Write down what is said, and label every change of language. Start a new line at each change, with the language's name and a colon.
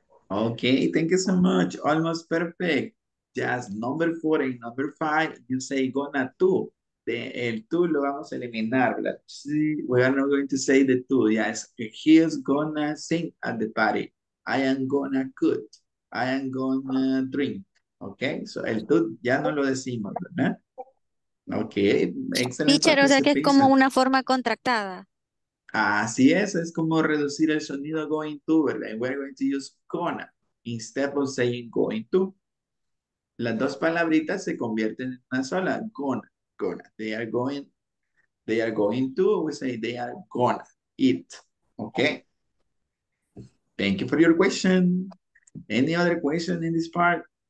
English: Okay, thank you so much. Almost perfect. Just number four and number five, you say gonna to.
Spanish: El to lo vamos a eliminar.
English: Sí, we are not going to say the to. Yes, he is gonna sing at the party. I am gonna cook. I am gonna drink.
Spanish: Okay, so el to ya no lo decimos, ¿verdad? Okay, excelente. Teacher, o sea que es como una forma contractada. Así es como reducir el sonido going to, ¿verdad?
English: And we're going to use gonna instead of saying going to.
Spanish: Las dos palabritas se convierten en una sola, gonna, gonna.
English: They are going to, we say they are gonna eat, okay? Thank you for your question. Any other question in this part?